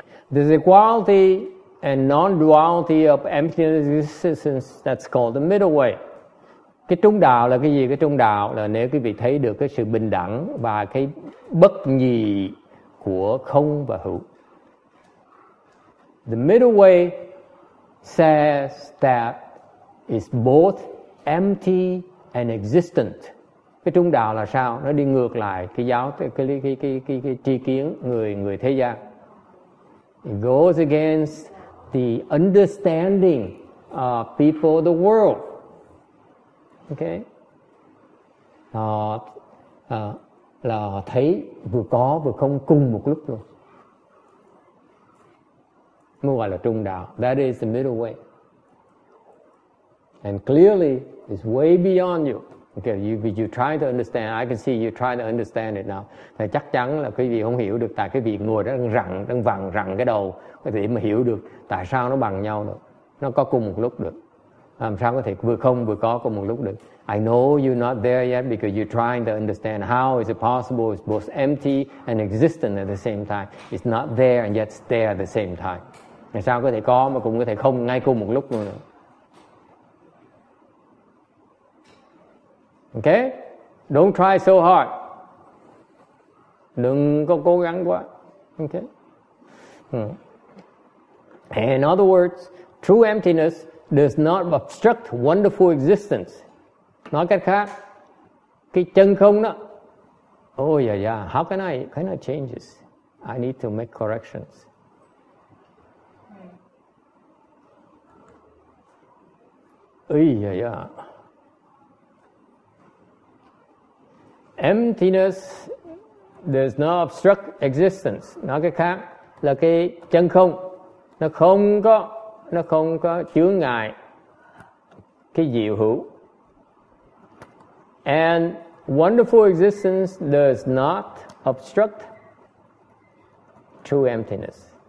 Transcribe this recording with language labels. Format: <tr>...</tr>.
<en>This equality and non-duality of emptiness existence, that's called the middle way.</en> <vi>Cái trung đạo là cái gì? Cái trung đạo là nếu quý vị thấy được cái sự bình đẳng và cái bất nhị của không và hữu.</vi> <en>The middle way says that it's both empty and existent.</en> <vi>Cái trung đạo là sao? Nó đi ngược lại cái giáo, cái tri kiến người thế gian.</vi> <en>It goes against the understanding of people of the world. Okay.</en> <vi>Họ là thấy vừa có vừa không cùng một lúc luôn. Mới gọi là trung đạo.</vi> <en>That is the middle way. And clearly, it's way beyond you. Okay, you try to understand. I can see you try to understand it now.</en> <vi>Thì chắc chắn là quý vị không hiểu được, tại quý vị ngồi đó đang vặn cái đầu, có thể mà hiểu được tại sao nó bằng nhau được. Nó có cùng một lúc được. Làm sao có thể vừa không vừa có cùng một lúc được.</vi> <en>I know you're not there yet because you're trying to understand how is it possible it's both empty and existent at the same time. It's not there and yet there at the same time.</en> <vi>Làm sao có thể có mà cũng có thể không ngay cùng một lúc luôn được.</vi> <en>Okay? Don't try so hard.</en> <vi>Đừng có cố gắng quá.</vi> <en>Okay? In other words, true emptiness does not obstruct wonderful existence.</en> <vi>Nói cách khác, cái chân không đó.</vi> <en>Oh yeah, yeah. How can I? Can I change this? I need to make corrections. Oh yeah, yeah. Emptiness does not obstruct existence.</en> <vi>Nói cái khác là cái chân không, nó không có chướng ngại cái diệu hữu.</vi> <en>And wonderful existence does not obstruct true emptiness.</en>